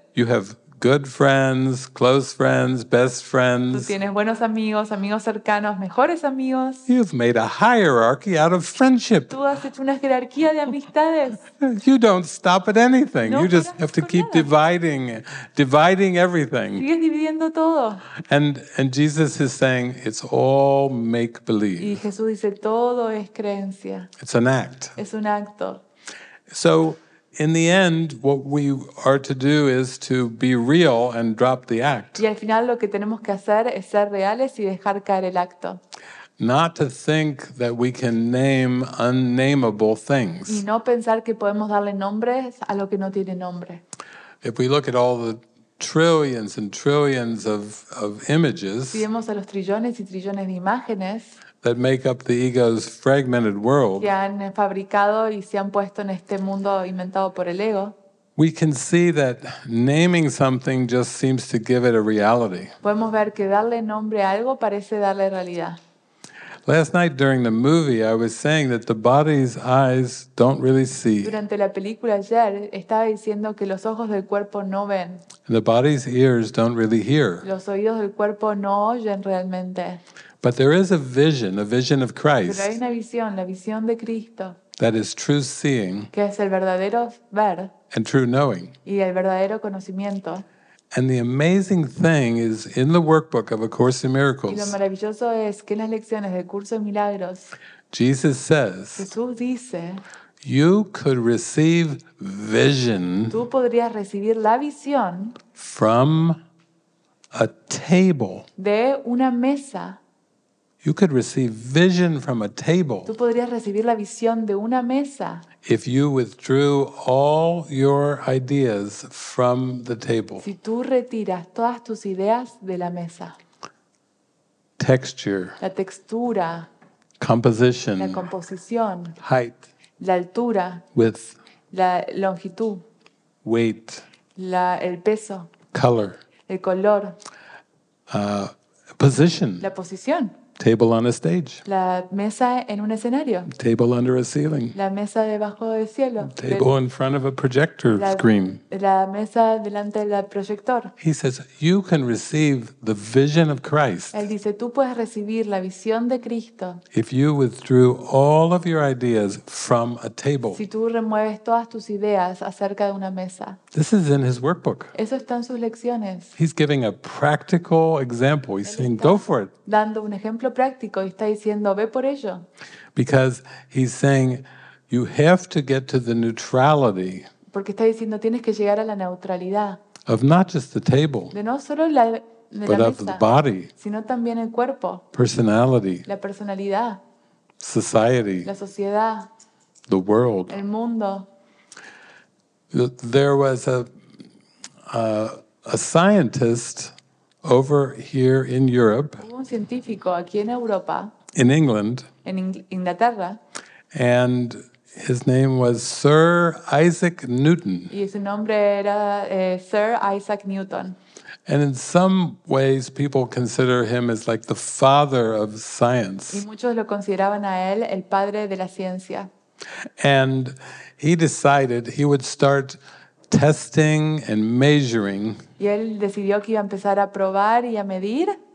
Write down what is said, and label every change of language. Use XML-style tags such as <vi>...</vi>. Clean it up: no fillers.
<en>You have good friends, close friends, best friends.</en> <es>Tú tienes buenos amigos, amigos cercanos, mejores amigos.</es> <en>You've made a hierarchy out of friendship.</en> <es>Tú has hecho una jerarquía de amistades.</es> <en>You don't stop at anything.</en> <es>No,</es> <en>you just have to keep</en> <es>nada.</es> <en>dividing everything.</en> <es>Sigues dividiendo todo.</es> <en>And Jesus is saying it's all make believe.</en> <es>Y Jesús dice todo es creencia.</es> <en>It's an act.</en> <es>Es un acto.</es> <en>So in the end, what we are to do is to be real and drop the act.</en> <es>Y al final lo que tenemos que hacer es ser reales y dejar caer el acto.</es> <en>Not to think that we can name unnameable things.</en> <es>Y no pensar que podemos darle nombres a lo que no tiene nombre.</es> <en>If we look at all the trillions and trillions of images.</en> <es>Si vemos a los trillones y trillones de imágenes.</es> <en>That make up the ego's fragmented world.</en> <es>Se han fabricado y se han puesto en este mundo inventado por el ego.</es> <en>We can see that naming something just seems to give it a reality.</en> <es>Podemos ver que darle nombre a algo parece darle realidad.</es> <en>Last night during the movie, I was saying that the body's eyes don't really see.</en> <es>Durante la película ayer estaba diciendo que los ojos del cuerpo no ven.</es> <en>The body's ears don't really hear.</en> <es>Los oídos del cuerpo no oyen realmente.</es> <en>But there is a vision of Christ.</en> <es>Pero hay una visión, la visión de Cristo.</es> <en>That is true seeing.</en> <es>Que es el verdadero ver.</es> <en>And true knowing.</en> <es>Y el verdadero conocimiento.</es> <en>And the amazing thing is in the workbook of A Course in Miracles.</en> <es>Y lo maravilloso es que en las lecciones del curso de milagros.</es> <en>Jesus says.</en> <es>Jesús dice.</es> <en>You could receive vision.</en> <es>Tú podrías recibir la visión.</es> <en>From a table.</en> <es>De una mesa.</es> <en>You could receive vision from a table.</en> <es>Tú podrías recibir la visión de una mesa.</es> <en>If you withdrew all your ideas from the table.</en> <es>Si tú retiras todas tus ideas de la mesa.</es> <en>Texture.</en> <es>La textura.</es> <en>Composition.</en> <es>La composición.</es> <en>Height.</en> <es>La altura.</es> <en>Width.</en> <es>La longitud.</es> <en>Weight.</en> <es>El peso.</es> <en>Color.</en> <es>El color.</es> <en>Position.</en> <es>La posición.</es> <en>Table on a stage.</en> <es>La mesa en un escenario.</es> <en>Table under a ceiling.</en> <es>La mesa debajo del cielo.</es> <en>Table in front of a projector screen.</en> <es>La mesa delante del proyector.</es> <en>He says, you can receive the vision of Christ.</en> <es>Él dice, tú puedes recibir la visión de Cristo.</es> <en>If you withdrew all of your ideas from a table.</en> <es>Si tú remueves todas tus ideas acerca de una mesa.</es> <en>This is in his workbook.</en> <es>Eso está en sus lecciones.</es> <en>He's giving a practical example. He's saying, go for it.</en> <es>Dando un ejemplo práctico y está diciendo ve por ello.</es> <en>Because he's saying you have to get to the neutrality.</en> <es>Porque está diciendo tienes que llegar a la neutralidad.</es> <en>Of not just the table.</en> <es>De no solo la mesa.</es> <en>But of the body.</en> <es>Sino también el cuerpo.</es> <en>Personality.</en> <es>La personalidad.</es> <en>Society.</en> <es>La sociedad.</es> <en>the world.</en> <es>El mundo.</es> <en>There was a scientist over here in Europe.</en> <es>Un científico aquí en Europa.</es> <en>In England.</en> <es>En Inglaterra.</es> <en>And his name was Sir Isaac Newton.</en> <es>Y su nombre era Sir Isaac Newton.</es> <en>And in some ways, people consider him as like the father of science.</en> <es>Y muchos lo consideraban a él el padre de la ciencia.</es> <en>And he decided he would start testing and measuring.</en> <es>Y él decidió que iba a empezar a probar y a medir.</es>